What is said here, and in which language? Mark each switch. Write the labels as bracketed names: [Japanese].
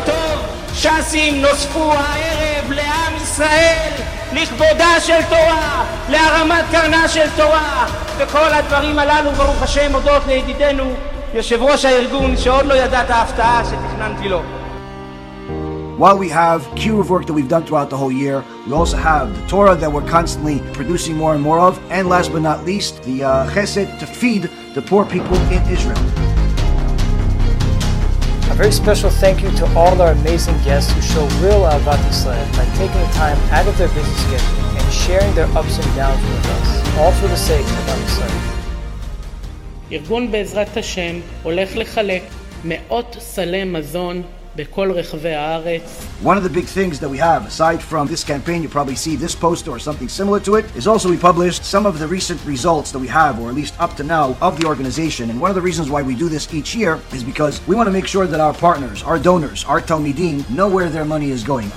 [Hebrew] טוב, ש"סים נוספו הערב לעם ישראל לכבודה של תורה, להרמת קרנה של תורה, וכל הדברים הללו ברוך השם הודות לידידנו יושב ראש הארגון, שעוד לא ידע את ההפתעה שתכננתי לו. [English] While we have Kiruv work that we've done throughout the whole year, we also have the Torah that we're constantly producing more and more of, and last but not least, the Chesed to feed the poor people in Israel. very special thank you to all our amazing guests who show real Ahavat Yisrael by taking the time out of their busy schedule and sharing their ups and downs with us, all for the sake of Ahavat Yisrael. [Hebrew] ארגון בעזרת השם הולך לחלק מאות סלי מזון בכל רחבי הארץ. [English] One of the big things that we have, aside from this campaign, you probably see this poster or something similar to it, is also we published some of the recent results that we have, or at least up to now, of the organization. And one of the reasons why we do this each year is because we want to make sure that our partners, our donors, our Talmidim, know where their money is going.